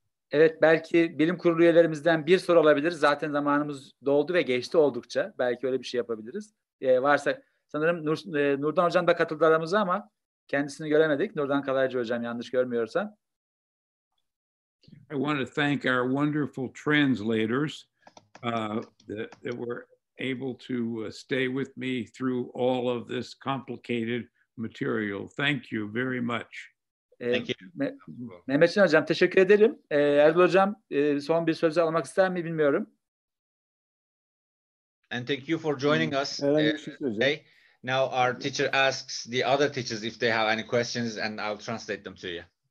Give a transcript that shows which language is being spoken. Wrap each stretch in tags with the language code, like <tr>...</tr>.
<tr>Evet, belki bilim kurulu üyelerimizden bir soru alabiliriz. Zaten zamanımız doldu ve geçti oldukça. Belki öyle bir şey yapabiliriz. Varsa sanırım Nurdan Hocam da katıldı aramıza ama kendisini göremedik. Nurdan Kalaycı Hocam, yanlış görmüyorsan.</tr> <en>I want to thank our wonderful translators that were able to stay with me through all of this complicated material. Thank you very much.</en> <tr>Mehmetçin Hocam, teşekkür ederim. Erdal Hocam, son bir söz almak ister mi bilmiyorum.</tr> <en>And thank you for joining us. Hey, now our teacher asks the other teachers if they have any questions and I'll translate them to you.</en>